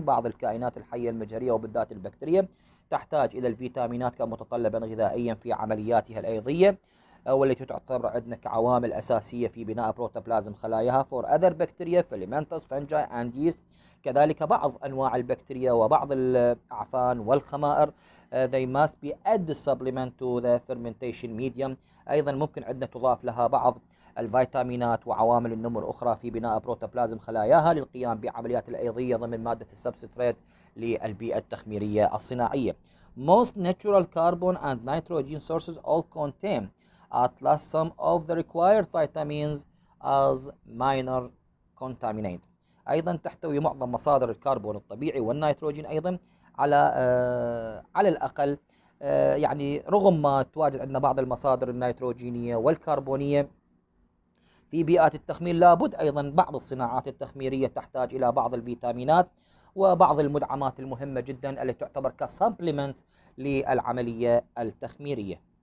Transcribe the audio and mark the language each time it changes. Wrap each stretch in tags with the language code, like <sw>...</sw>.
<ar>بعض الكائنات الحية المجهرية وبالذات البكتيريا تحتاج إلى الفيتامينات كمتطلبا غذائيا في عملياتها الأيضية، والتي تعتبر عندنا كعوامل أساسية في بناء بروتوبلازم خلاياها.</ar> <en>For other bacteria, filamentous, fungi and yeast.</en> <ar>كذلك بعض أنواع البكتيريا وبعض الأعفان والخمائر.</ar> <en>They must be added supplement to the fermentation medium.</en> <ar>أيضا ممكن عندنا تضاف لها بعض الفيتامينات وعوامل النمو الأخرى في بناء بروتوبلازم خلاياها للقيام بعمليات الأيضية ضمن مادة السبستريت للبيئة التخميرية الصناعية.</ar> <en>Most natural carbon and nitrogen sources all contain at least some of the required vitamins as minor contaminant.</en> <ar>أيضا تحتوي معظم مصادر الكربون الطبيعي والنيتروجين أيضا على الأقل، يعني رغم ما تواجد عندنا بعض المصادر النيتروجينية والكربونية في بيئات التخمير، لابد أيضا بعض الصناعات التخميرية تحتاج إلى بعض الفيتامينات وبعض المدعمات المهمة جدا التي تعتبر كسبليمنت للعملية التخميرية.</ar>